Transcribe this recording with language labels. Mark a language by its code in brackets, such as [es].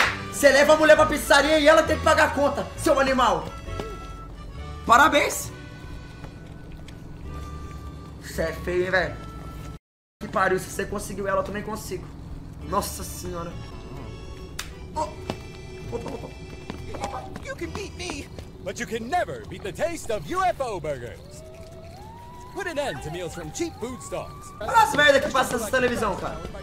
[pt] Você leva a mulher pra pizzaria e ela tem que pagar a conta, seu animal! Parabéns! Você é feio, hein, velho? Que pariu, se você conseguiu ela, eu também consigo. Nossa senhora! Oh. Opa, opa! [en] You can beat me, but you can never beat the taste of UFO burgers! Put an end to meals from cheap food stocks. [pt] Olha as merda que passa nessa televisão, cara.